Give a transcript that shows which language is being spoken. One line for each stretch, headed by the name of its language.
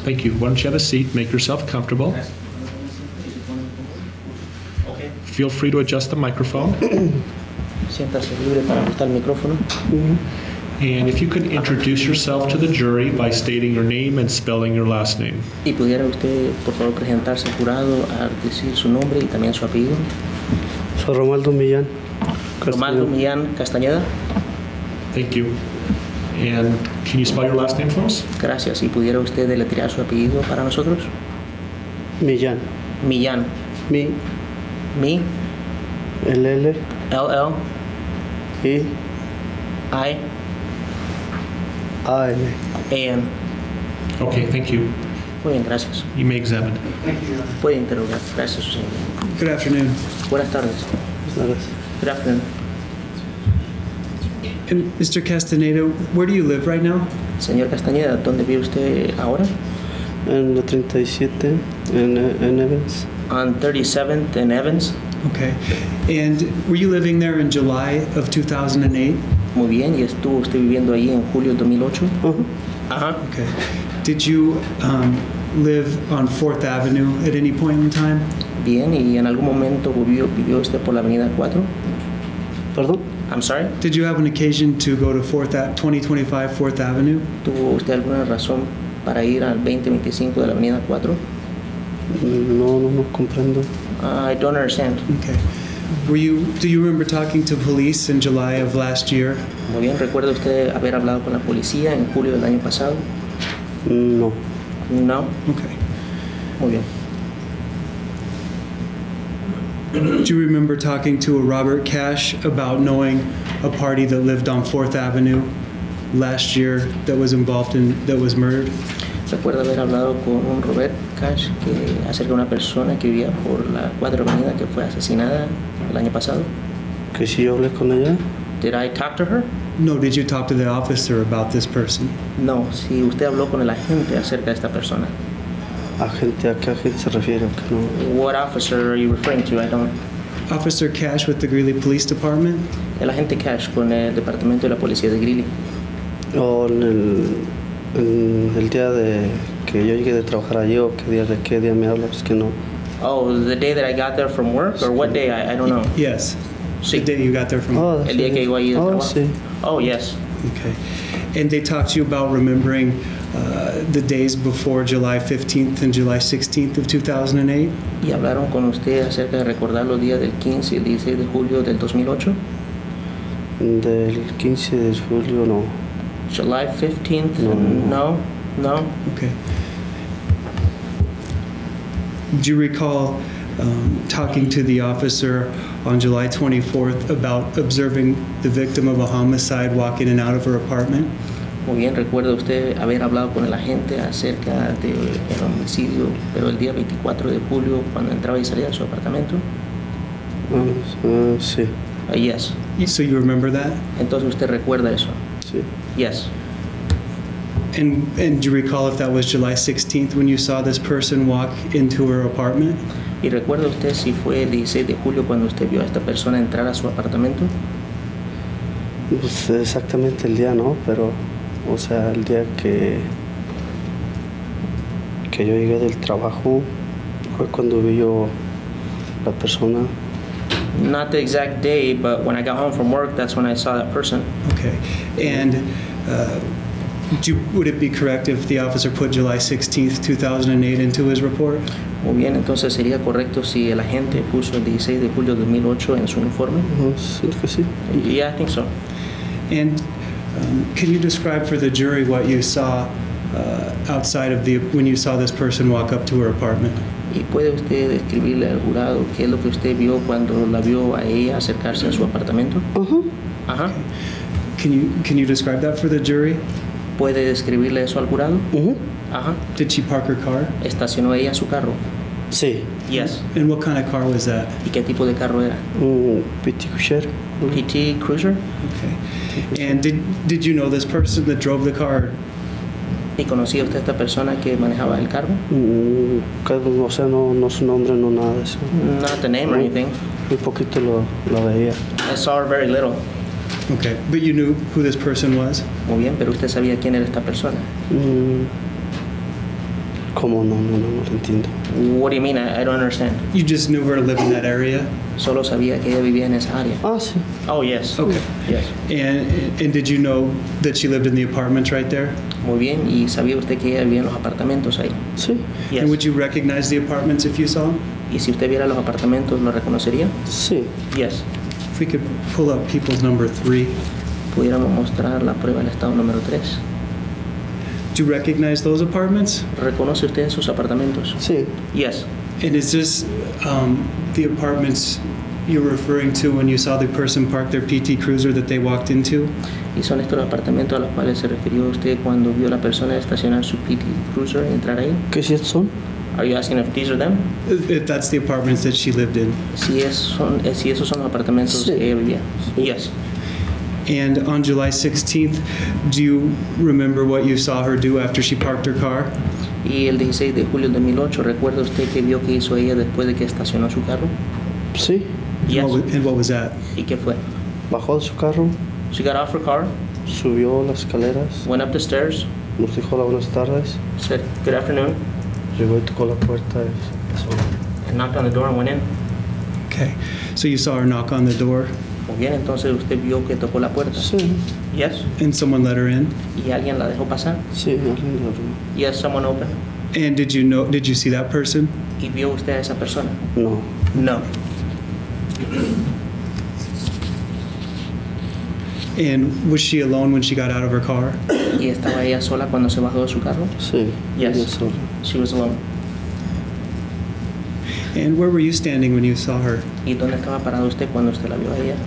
English: Thank you. Why don't you have a seat? Make yourself comfortable. Okay. feel free to adjust the microphone.
Spanish: Siéntase libre para ajustar el micrófono.
English: And if you could introduce yourself to the jury by stating your name and spelling your last name.
Spanish: Y pudiera usted, por favor, presentarse al jurado a decir su nombre y también su apellido. Soy Romualdo Millán. Romualdo Millán Castañeda.
English: Thank you. And can you spell your last name for us?
Spanish: Gracias. Y pudiera usted deletrear su apellido para nosotros. Millán. Millán. Mi. Mi. LL. LL. E. I.
English: A.N. Okay, thank you.
Spanish: Muy bien, gracias.
English: You may examine. Thank you.
Spanish: Puede interrogar. Gracias, señor.
English: Good afternoon.
Spanish: Buenas tardes. Buenas tardes.
English: Good afternoon. And Mr. Castaneda, where do you live right now?
Spanish: Señor Castañeda, ¿dónde vive usted ahora? En la 37, en Evans.
English: On 37th in Evans. Okay. And were you living there in July of 2008?
Spanish: Muy bien, y estuvo usted viviendo ahí en julio de 2008. Uh-huh. Uh-huh.
English: Okay. Did you live on 4th Avenue at any point in time?
Spanish: Bien, y en algún momento vivió usted por la avenida 4. Perdón?
English: I'm sorry? Did you have an occasion to go to 2025 4th Avenue?
Spanish: ¿Tuvo usted alguna razón para ir al 2025 de la avenida 4? No comprendo.
English: I don't understand. Okay. Do you remember talking to police in July of last year?
Spanish: Muy bien, ¿recuerda usted haber hablado con la policía en julio del año pasado? No. No?
English: Okay.
Spanish: Muy bien.
English: Do you remember talking to a Robert Cash about knowing a party that lived on 4th Avenue last year that was involved in, that was murdered?
Spanish: ¿Recuerda haber hablado con un Robert Cash que acerca de una persona que vivía por la cuadra avenida que fue asesinada el año pasado? ¿Que si yo hablé con ella?
English: Did I talk to her? No, did you talk to the officer about this person?
Spanish: No, si usted habló con el agente acerca de esta persona. ¿Agente, a qué agente se refiere? No.
English: What officer are you referring to? I don't... Officer Cash with the Greeley Police Department?
Spanish: El agente Cash con el departamento de la policía de Greeley. Oh, el día de que yo llegué de trabajar allí, o qué día me habla, pues que no.
English: Oh, the day that I got there from work, or what day, I don't know. Yes,
Spanish: sí.
English: The day you got there from work.
Spanish: El día que llegó allí de trabajo. Sí.
English: Oh, yes. Okay, and they talked to you about remembering the days before July 15th and July 16th of 2008?
Spanish: Y hablaron con usted acerca de recordar los días del 15 y 16 de julio del 2008? Del 15 de julio, no.
English: July 15th? No. Okay. Do you recall talking to the officer on July 24th about observing the victim of a homicide walking in and out of her apartment?
Spanish: Muy bien, ¿recuerda usted haber hablado con el agente acerca del homicidio, pero el día 24 de julio cuando entraba y salía de su apartamento? Sí.
English: Yes. So you remember that?
Spanish: Entonces usted recuerda eso. Sí.
English: Yes. And do you recall if that was July 16th when you saw this person walk into her apartment?
Spanish: ¿Y recuerda usted si fue el 16 de julio cuando usted vio a esta persona entrar a su apartamento? Pues exactamente el día, ¿no? Pero, o sea, el día que yo llegué del trabajo fue cuando vi yo la persona.
English: Not the exact day, but when I got home from work, that's when I saw that person. Okay. And would it be correct if the officer put July 16th, 2008 into his report?
Spanish: Muy bien, entonces sería correcto si el agente puso el 16 de julio de 2008 en su informe. Sí, que sí.
English: Yeah, I think so. And can you describe for the jury what you saw outside of the, when you saw this person walk up to her apartment?
Spanish: ¿Y puede usted describirle al jurado qué es lo que usted vio cuando la vio a ella acercarse a su apartamento? Uh-huh. Ajá.
English: Can you describe that for the jury?
Spanish: ¿Puede describirle eso al jurado? Uh-huh. Ajá.
English: Did she park her car?
Spanish: ¿Estacionó ella su carro? Sí.
English: Yes. And what kind of car was that?
Spanish: ¿Y qué tipo de carro era? PT Cruiser. PT Cruiser.
English: Okay. And did you know this person that drove the car?
Spanish: ¿Y conocía usted a esta persona que manejaba el carro? O sea, no su nombre, no nada de eso.
English: Not the name or anything.
Spanish: Muy poquito lo veía.
English: I saw her very little. Okay, but you knew who this person was?
Spanish: Muy bien, pero usted sabía quién era esta persona. ¿Cómo? No lo entiendo.
English: What do you mean? I don't understand. You just knew her to live in that area?
Spanish: Solo sabía que ella vivía en esa área. Oh, sí.
English: Oh, yes. Okay. Yes. And did you know that she lived in the apartments right there?
Spanish: Muy bien. ¿Y sabía usted que ella vivía en los apartamentos ahí? Sí.
English: Yes. And would you recognize the apartments if you saw them?
Spanish: ¿Y si usted viera los apartamentos, lo reconocería? Sí.
English: Yes. If we could pull up people's number three.
Spanish: Pudiéramos mostrar la prueba del estado número 3.
English: Do you recognize those apartments?
Spanish: ¿Reconoce usted esos apartamentos? Sí.
English: Yes. And is this the apartments you're referring to when you saw the person park their PT Cruiser that they walked into?
Spanish: ¿Y son estos los apartamentos a los cuales se refirió usted cuando vio a la persona estacionar su PT Cruiser y entrar ahí? ¿Qué si estos son?
English: Are you asking if these are them? If that's the apartments that she lived in.
Spanish: Si, es, son, si esos son los apartamentos sí. que ella vivía.
English: Yes. And on July 16th, do you remember what you saw her do after she parked her car?
Spanish: Y el 16 de julio de 2008, ¿recuerda usted qué vio que hizo ella después de que estacionó su carro? Sí.
English: Yes. And what was that?
Spanish: ¿Y qué fue? Bajó de su carro.
English: She got off her car.
Spanish: Subió las escaleras.
English: Went up the stairs.
Spanish: Nos dijo la buenas tardes.
English: Said good afternoon.
Spanish: Llegó y tocó la puerta.
English: And knocked on the door and went in. Okay. So you saw her knock on the door.
Spanish: Muy bien, entonces usted vio que tocó la puerta. Sí.
English: Yes. And someone let her in.
Spanish: ¿Y alguien la dejó pasar? Sí, alguien la dejó.
English: Yes, someone opened. And did you see that person?
Spanish: ¿Y vio usted a esa persona? No.
English: No. And was she alone when she got out of her car?
Spanish: ¿Y estaba ella sola cuando se bajó de su carro? Sí.
English: Yes.
Spanish: Ella sola.
English: She was alone. And where were you standing when you saw her?
Spanish: ¿Y dónde estaba parado usted cuando usted la vio a ella?